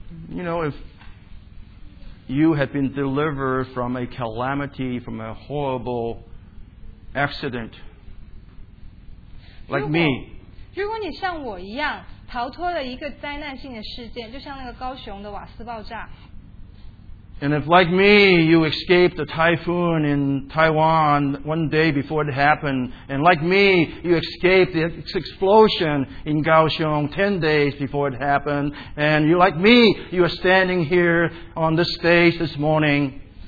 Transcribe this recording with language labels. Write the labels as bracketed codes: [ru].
[en] You know, if you had been delivered from a calamity, from a horrible accident, like me, [zh] 如果你像我一样，逃脱了一个灾难性的事件，就像那个高雄的瓦斯爆炸。 [en] And if, like me, you escaped the typhoon in Taiwan one day before it happened, and like me, you escaped the explosion in Kaohsiung 10 days before it happened, and you, like me, you are standing here on this stage this morning.